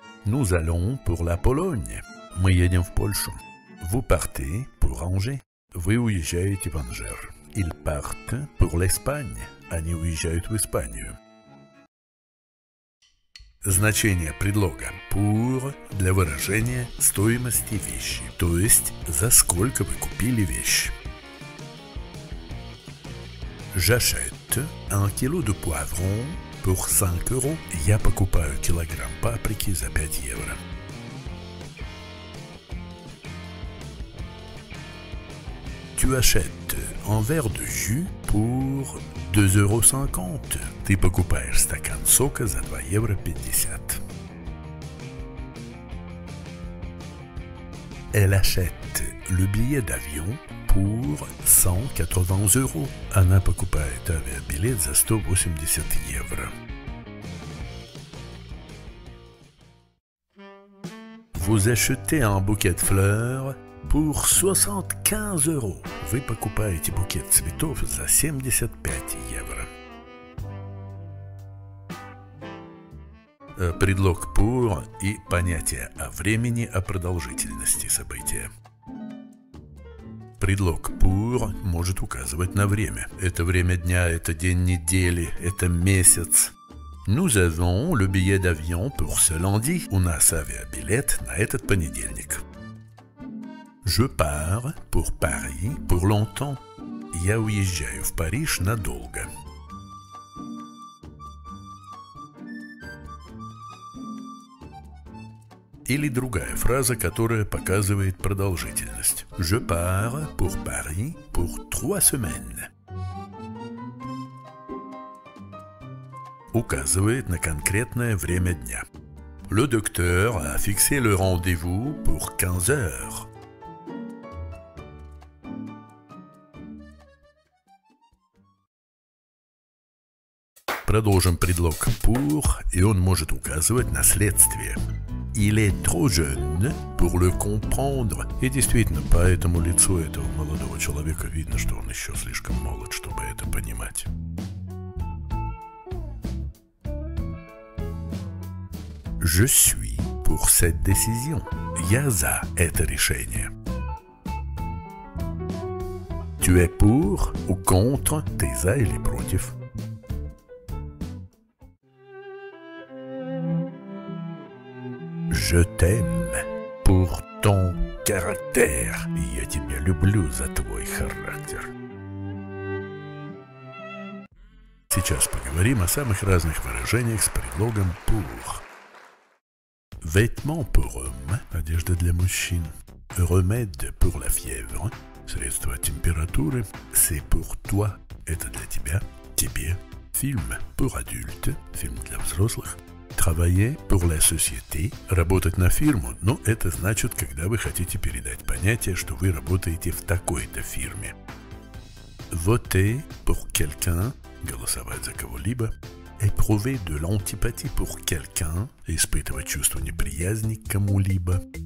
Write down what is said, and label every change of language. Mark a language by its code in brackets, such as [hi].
[fr] Nous allons pour la Pologne. [ru] Мы едем в Польшу. [fr] Vous partez pour Angers. [ru] Вы уезжаете в Анжер. [fr] Ils partent pour l'Espagne. [ru] Они уезжают в Испанию. Значение предлога pour для выражения стоимости вещи, то есть за сколько вы купили вещь. [fr] J'achète un kilo de poivron pour 5 euros. [ru] Я покупаю килограмм паприки за 5 евро. [fr] Tu achètes un verre de jus pour 2,50 €. [ru] Ты покупаешь стакан сока за 2 евро 50. [fr] Elle achète le billet d'avion pour 180 €. [ru] Она покупает авиабилет за 180 евро. [fr] Vous achetez un bouquet de fleurs pour 75 €. [ru] Вы покупаете букет цветов за 75 евро. Предлог pour и понятие о времени, о продолжительности события. Предлог pour может указывать на время. Это время дня, это день недели, это месяц. [fr] Nous avons le billet d'avion pour ce lundi. [ru] У нас авиабилет на этот понедельник. [fr] Je pars pour Paris pour longtemps. [ru] Я уезжаю в Париж надолго. Или другая фраза, которая показывает продолжительность. [fr] Je pars pour Paris pour 3 semaines. [ru] Указывает на конкретное время дня. [fr] Le docteur a fixé le rendez-vous pour 15 heures. [ru] Продолжим предлог pour, и он может указывать на следствие. [fr] Il est trop jeune pour le comprendre. [ru] И действительно, по этому лицу этого молодого человека видно, что он еще слишком молод, чтобы это понимать. [fr] Je suis pour cette décision. [ru] Я за это решение. [fr] Tu es pour ou contre? T'es [ru] за или против? [fr] Je t'aime pour ton caractère. [ru] Я тебя люблю за твой характер. Сейчас поговорим о самых разных выражениях с предлогом pour. [fr] Vêtements pour homme, [ru] одежда для мужчин. [fr] Remède pour la fièvre, [ru] средство от температуры. [fr] C'est pour toi, [ru] это для тебя, тебе. [fr] Film pour adulte, film [ru] для взрослых. [fr] Travailler pour la société, [ru] работать на фирму, но это значит, когда вы хотите передать понятие, что вы работаете в такой-то фирме. [fr] Voter pour quelqu'un, [ru] голосовать за кого-либо. [fr] Éprouver de l'antipathie pour quelqu'un, [ru] испытывать чувство неприязни к кому-либо.